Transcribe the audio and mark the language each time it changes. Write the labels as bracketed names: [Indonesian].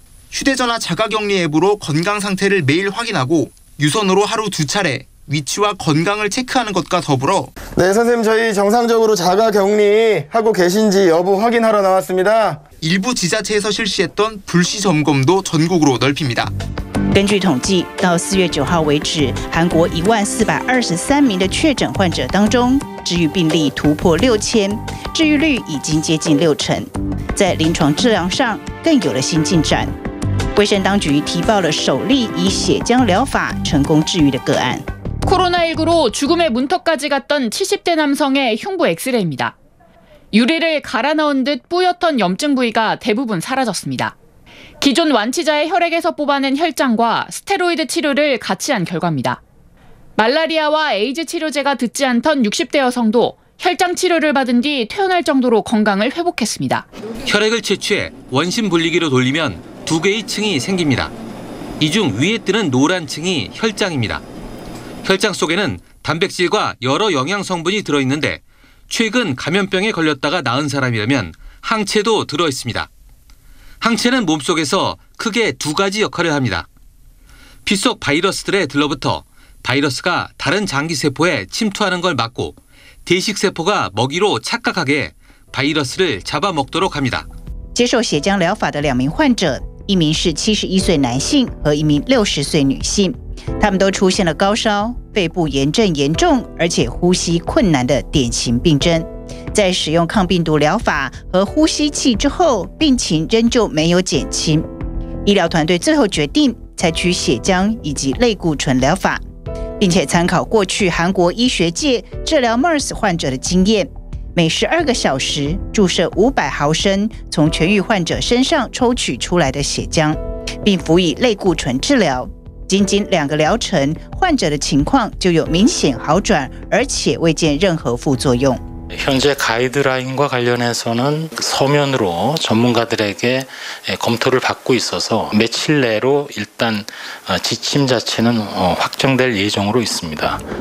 [Korean] 휴대전화 자가격리 앱으로 건강 상태를 매일 확인하고 유선으로 하루 두 차례 위치와 건강을 체크하는 것과 더불어 네, 선생님 저희 정상적으로 자가격리하고 계신지 여부 확인하러 나왔습니다. 일부 지자체에서 실시했던 불시 점검도 전국으로 넓힙니다. [Chinese] 根据统计，到 4月 9号为止，韩国 1423名的确诊患者当中，治愈病例突破 6000，治愈率已经接近 60%，在临床治疗上更有了新进展。卫生当局提报了首例以血浆疗法成功治愈的个案。 [Korean] 코로나19로 죽음의 문턱까지 갔던 70대 남성의 흉부 엑스레이입니다. 유리를 갈아 넣은 듯 뿌옇던 염증 부위가 대부분 사라졌습니다. 기존 완치자의 혈액에서 뽑아낸 혈장과 스테로이드 치료를 같이 한 결과입니다. 말라리아와 에이즈 치료제가 듣지 않던 60대 여성도 혈장 치료를 받은 뒤 퇴원할 정도로 건강을 회복했습니다. 혈액을 채취해 원심 분리기로 돌리면 두 개의 층이 생깁니다. 이 중 위에 뜨는 노란 층이 혈장입니다. 혈장 속에는 단백질과 여러 영양 성분이 들어있는데 최근 감염병에 걸렸다가 나은 사람이라면 항체도 들어있습니다. 항체는 몸속에서 크게 두 가지 역할을 합니다. 피 속 바이러스들에 들러붙어 바이러스가 다른 장기세포에 침투하는 걸 막고 대식세포가 먹이로 착각하게 바이러스를 잡아먹도록 합니다. [Chinese] 接受血浆疗法的两名患者，一名是71岁男性和一名60岁女性。他们都出现了高烧、肺部炎症严重，而且呼吸困难的典型病症。在使用抗病毒疗法和呼吸器之后，病情仍旧没有减轻。医疗团队最后决定采取血浆以及类固醇疗法，并且参考过去韩国医学界治疗 MERS 患者的经验，每12个小时注射500毫升从痊愈患者身上抽取出来的血浆，并辅以类固醇治疗。仅仅两个疗程，患者的情况就有明显好转，而且未见任何副作用。 [Korean] 현재 가이드라인과 관련해서는 서면으로 전문가들에게 검토를 받고 있어서 며칠 내로 일단 지침 자체는 확정될 예정으로 있습니다.